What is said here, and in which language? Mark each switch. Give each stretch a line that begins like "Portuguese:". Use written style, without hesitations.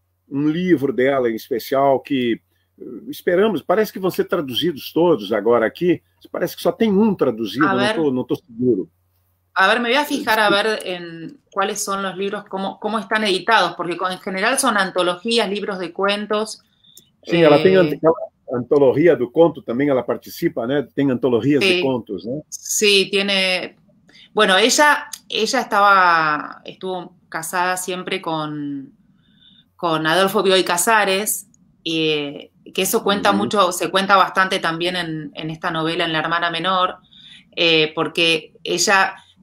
Portuguese: Um livro dela em especial que esperamos, parece que vão ser traduzidos todos agora aqui. Parece que só tem um traduzido, não tô seguro.
Spanish: A ver, me voy a fijar a ver en cuáles son los libros, cómo están editados, porque en general son antologías, libros de cuentos.
Portuguese: Sim, ela tem antologia do conto também, ela participa, né? Tem antologias de
Spanish: Sí,
Portuguese: contos, né?
Spanish: tiene. Bueno, ella estuvo casada siempre con Adolfo Bioy Casares, que eso cuenta mucho, se cuenta bastante también en esta novela, en La hermana menor, porque ella.